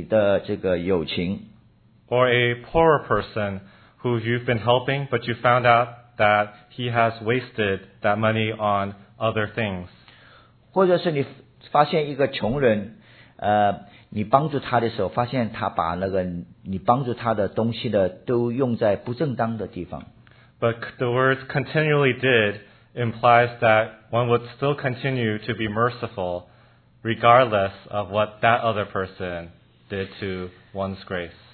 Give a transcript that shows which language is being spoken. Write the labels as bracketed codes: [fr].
[zh] 可能有一个人非常寂寞，那么刚开始你去找他的时候，他可能不接受你的这个友情。 [en] Or a poorer person who you've been helping, but you found out that he has wasted that money on other things. [zh] 或者是你发现一个穷人，你帮助他的时候，发现他把那个你帮助他的东西的都用在不正当的地方。 [en] But the words continually did implies that one would still continue to be merciful regardless of what that other person did to one's grace.